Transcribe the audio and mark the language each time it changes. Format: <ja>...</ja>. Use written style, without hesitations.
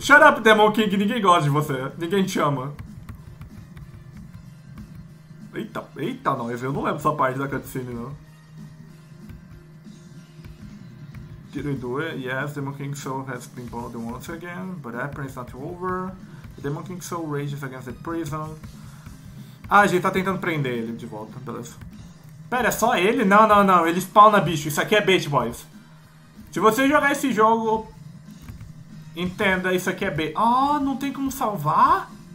<en>Shut up, Demon King,</en> <pt>ninguém gosta de você. Ninguém te ama. Eita, eita, não, eu não lembro essa parte da cutscene, não.</pt> <en>Did we do it? Yes, Demon King Soul has been bothered once again, but that prison's not over. Demon King Soul rages against the prison.</en> <pt>Ah, a gente tá tentando prender ele de volta, beleza. Pera, é só ele? Não, não, não. Ele spawna bicho. Isso aqui é bait, boys. Se você jogar esse jogo, entenda, isso aqui é bait. Ah, não tem como salvar?</pt>